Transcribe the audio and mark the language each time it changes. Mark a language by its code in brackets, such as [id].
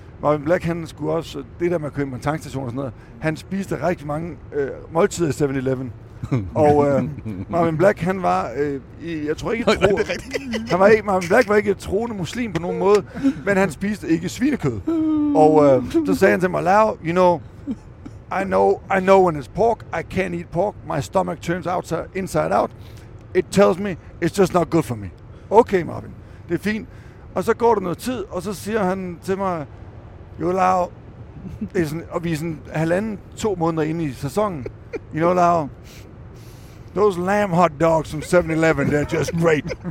[da] Marvin Black, han skulle også, det der med at købe en tankstation og sådan noget, han spiste rigtig mange måltider i 7-Eleven. Og Marvin Black, han var, jeg tror ikke, jeg tror, han var ikke, Marvin Black var ikke et troende muslim på nogen måde, men han spiste ikke svinekød. Og så sagde han til mig, [en] Lau, you know, I know when it's pork, I can't eat pork, my stomach turns out inside out, it tells me, it's just not good for me. [da] Okay, Marvin, det er fint. Og så går der noget tid, og så siger han til mig, jo, Lau, og vi er sådan halvanden, to måneder inde i sæsonen. [en] You know, Lau, those lamb hot dogs from 7-Eleven, they're just great.